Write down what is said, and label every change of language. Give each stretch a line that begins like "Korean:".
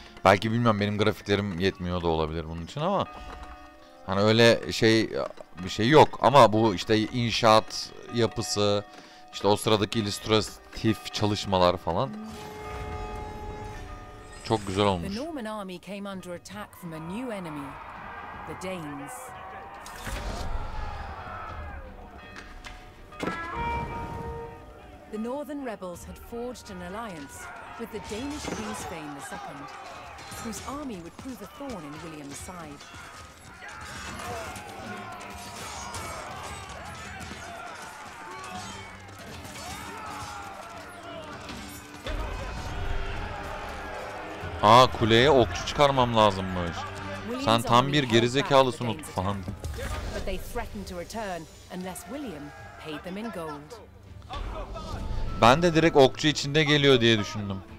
Turkish: Belki bilmiyorum, benim grafiklerim yetmiyor da olabilir bunun için ama hani öyle şey bir şey yok ama bu işte inşaat yapısı, işte o sıradaki illüstratif çalışmalar falan çok güzel olmuş.
English: The Norman army came under attack from a new enemy, the Danes. The Northern rebels had forged an alliance with the Danish king Svein the Second, whose army would prove a thorn in William's side.
Turkish: Aa, kuleye okçu çıkarmam lazımmış. Sen tam bir gerizekalısın Utku falan.
English: But they threatened to return unless William paid them in gold.
Turkish: Ben de direkt okçu içinde geliyor diye düşündüm.